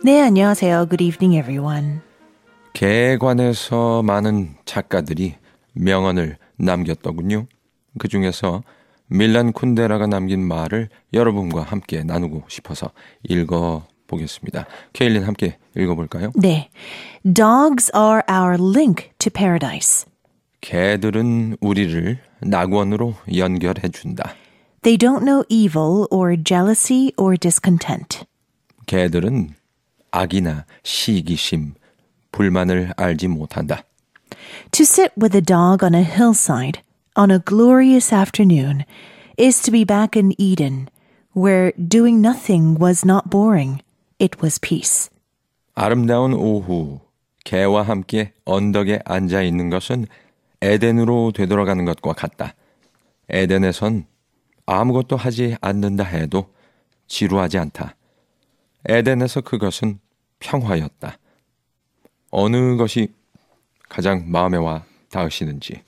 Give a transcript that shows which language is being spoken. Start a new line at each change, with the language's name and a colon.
Korean: 네, 안녕하세요.
English: Good evening, everyone.
Korean: 개에 관해서 많은 작가들이 명언을 남겼더군요. 그 중에서 밀란 쿤데라가 남긴 말을 여러분과 함께 나누고 싶어서 읽어보겠습니다. 케일린, 함께 읽어볼까요? 네.
English: Dogs are our link to paradise.
Korean: 개들은 우리를 낙원으로 연결해준다.
English: They don't know evil or jealousy or discontent.
Korean: 개들은 악이나 시기심, 불만을 알지 못한다.
English: To sit with a dog on a hillside on a glorious afternoon is to be back in Eden, where doing nothing was not boring. It was peace.
Korean: 아름다운 오후, 개와 함께 언덕에 앉아 있는 것은 에덴으로 되돌아가는 것과 같다. 에덴에선 아무것도 하지 않는다 해도 지루하지 않다. 에덴에서 그것은 평화였다. 어느 것이 가장 마음에 와 닿으시는지.